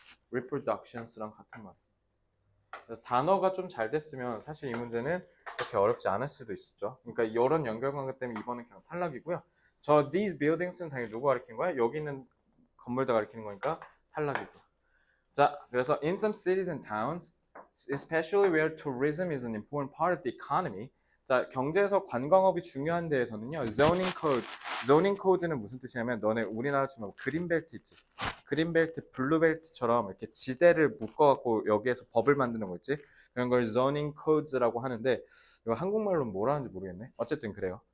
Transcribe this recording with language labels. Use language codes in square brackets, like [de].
[ko] reproductions랑 같은 말. 단어가 좀 잘 됐으면 사실 이 문제는 그렇게 어렵지 않을 수도 있었죠. 그러니까 이런 연결관계 때문에 이번은 그냥 탈락이고요. 저 [en] these buildings [ko] 는 당연히 누구 가리키는 거야? 여기 있는 건물들 가리키는 거니까 탈락이고. 자, 그래서 [en] in some cities and towns, especially where tourism is an important part of the economy. [ko] 자, 경제에서 관광업이 중요한 데에서는요. zoning code. zoning code는 무슨 뜻이냐면 너네 우리나라처럼 그린벨트 있지. 그린벨트, 블루벨트처럼 이렇게 지대를 묶어갖고 여기에서 법을 만드는 거 있지? 그런 걸 zoning codes라고 하는데 이거 한국말로는 뭐라 하는지 모르겠네. 어쨌든 그래요.